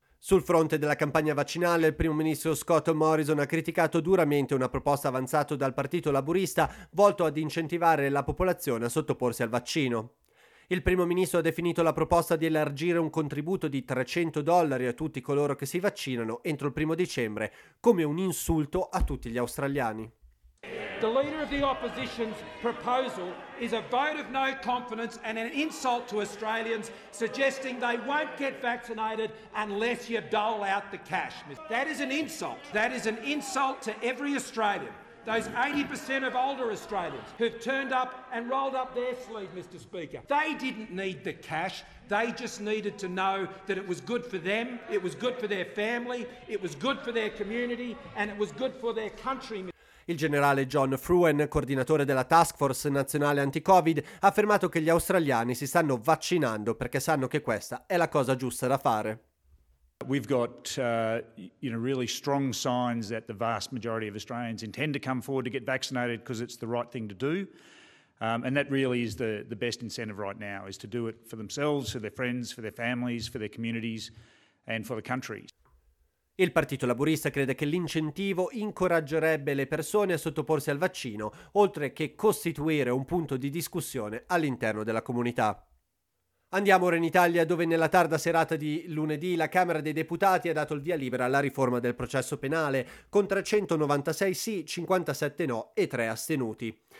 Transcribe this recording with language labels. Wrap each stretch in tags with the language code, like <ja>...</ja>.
<it>Sul fronte della campagna vaccinale, il primo ministro Scott Morrison ha criticato duramente una proposta avanzata dal Partito Laburista volto ad incentivare la popolazione a sottoporsi al vaccino. Il primo ministro ha definito la proposta di elargire un contributo di $300 a tutti coloro che si vaccinano entro il 1° dicembre come un insulto a tutti gli australiani.</it> <en>The leader of the opposition's proposal is a vote of no confidence and an insult to Australians, suggesting they won't get vaccinated unless you dole out the cash. That is an insult. That is an insult to every Australian. Those 80% of older Australians who've turned up and rolled up their sleeve, Mr. Speaker. They didn't need the cash. They just needed to know that it was good for them, it was good for their family, it was good for their community, and it was good for their country.</en> <it>Il generale John Fruen, coordinatore della Task Force Nazionale Anti-Covid, ha affermato che gli australiani si stanno vaccinando perché sanno che questa è la cosa giusta da fare.</it> <en>We've got really strong signs that the vast majority of Australians intend to come forward to get vaccinated because it's the right thing to do. And that really is the best incentive right now, is to do it for themselves, for their friends, for their families, for their communities and for the country.</en> <it>Il Partito Laburista crede che l'incentivo incoraggerebbe le persone a sottoporsi al vaccino, oltre che costituire un punto di discussione all'interno della comunità. Andiamo ora in Italia, dove nella tarda serata di lunedì la Camera dei Deputati ha dato il via libera alla riforma del processo penale, con 396 sì, 57 no e 3 astenuti.</it>